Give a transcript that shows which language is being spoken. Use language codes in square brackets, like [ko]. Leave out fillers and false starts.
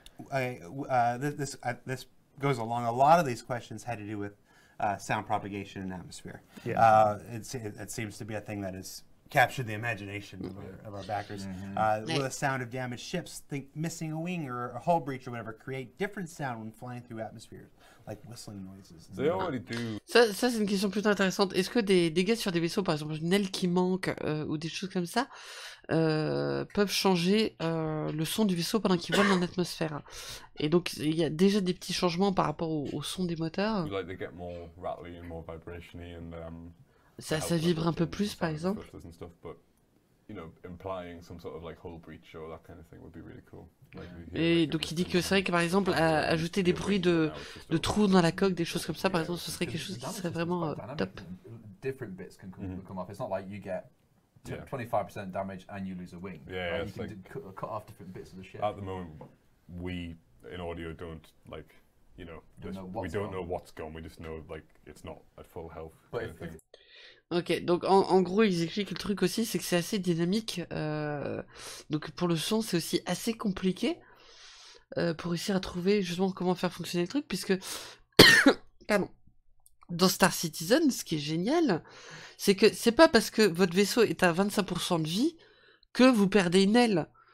[en] This goes along. A lot of these questions had to do with sound propagation and atmosphere. Yeah. It seems to be a thing that has captured the imagination of our backers. Mm-hmm. Will the sound of damaged ships, think missing a wing or a hull breach or whatever, create different sound when flying through atmosphere, like whistling noises? They already do. [fr] Ça c'est une question plutôt intéressante. Est-ce que des dégâts sur des vaisseaux, par exemple une aile qui manque ou des choses comme ça, peuvent changer le son du vaisseau pendant qu'il vole dans l'atmosphère? Et donc il y a déjà des petits changements par rapport au son des moteurs. [en] You like they get more rattly and more vibration-y and [fr] Ça vibre un peu plus, par exemple. [en] Stuff, but, you know, implying some sort of like hull breach or that kind of thing would be really cool. Like, [fr] et donc il dit que c'est vrai que par exemple ajouter des bruits de trous dans la coque, des choses comme ça, par exemple, ce serait quelque chose qui serait vraiment top. [en] Different bits can come off. It's not like you get 25% damage and you lose a wing. Yeah, like, you can cut off different bits of the ship. At the moment, we in audio don't like, you know, we don't know what's gone. We just know like it's not at full health. [fr] Ok, donc en gros, ils expliquent le truc aussi, c'est que c'est assez dynamique. Donc pour le son, c'est aussi assez compliqué pour réussir à trouver justement comment faire fonctionner le truc, puisque dans Star Citizen, ce qui est génial, c'est que c'est pas parce que votre vaisseau est à 25% de vie que vous perdez une aile.